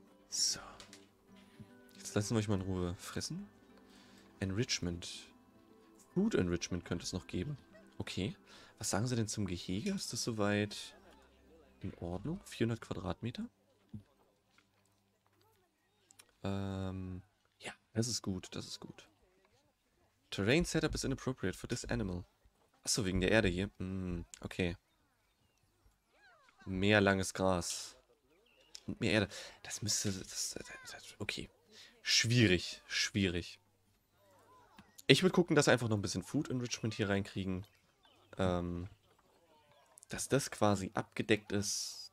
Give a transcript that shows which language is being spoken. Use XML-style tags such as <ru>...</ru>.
<de>So. Jetzt lassen wir euch mal in Ruhe fressen. Enrichment. Food Enrichment könnte es noch geben. Okay. Was sagen sie denn zum Gehege? Ist das soweit in Ordnung? 400 Quadratmeter? Ja, das ist gut, das ist gut.</de> <en>Terrain Setup is inappropriate for this animal.</en> <de>Achso, wegen der Erde hier. Okay. Mehr langes Gras. Und mehr Erde. Das müsste... Okay. Schwierig. Schwierig. Ich würde gucken, dass wir einfach noch ein bisschen Food Enrichment hier reinkriegen. Dass das quasi abgedeckt ist.</de>